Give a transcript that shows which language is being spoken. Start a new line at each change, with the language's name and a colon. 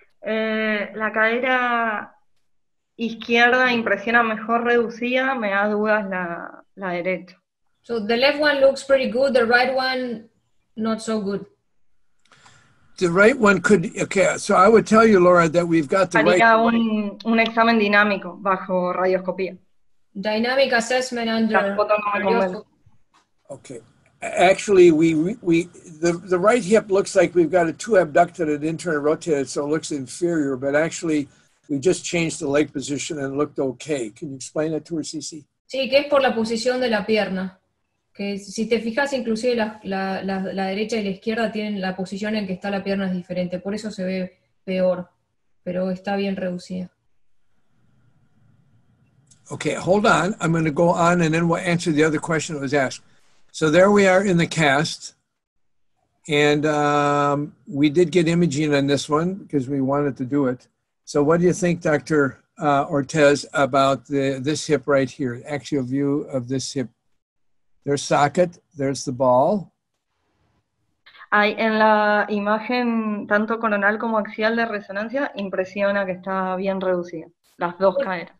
Spanish: La cadera izquierda impresiona mejor reducida, me da dudas la derecha.
English: So the left one looks pretty good, the right one not so good. The right one could, okay, so I would tell you, Laura, that we've got the right one.
Spanish: Un examen dinámico bajo radioscopía.
English: Dynamic assessment under radioscopy. Okay, actually the right hip looks like we've got a two abducted and internally rotated, so it looks inferior, but actually we just changed the leg position and it looked okay. Can you explain that to her, Cici?
Spanish: Sí, que es por la posición de la pierna. Que si te fijas, inclusive la derecha y la izquierda tienen la posición en que está la pierna es diferente, por eso se ve peor, pero está bien reducida.
English: Okay, hold on. I'm going to go on and then we'll answer the other question that was asked. So there we are in the cast. And we did get imaging on this one because we wanted to do it. So what do you think, Dr. Ortez, about this hip right here, axial view of this hip? There's socket, there's the ball.
Spanish: Ay, en la imagen, tanto coronal como axial de resonancia, impresiona que está bien reducida, las dos caderas.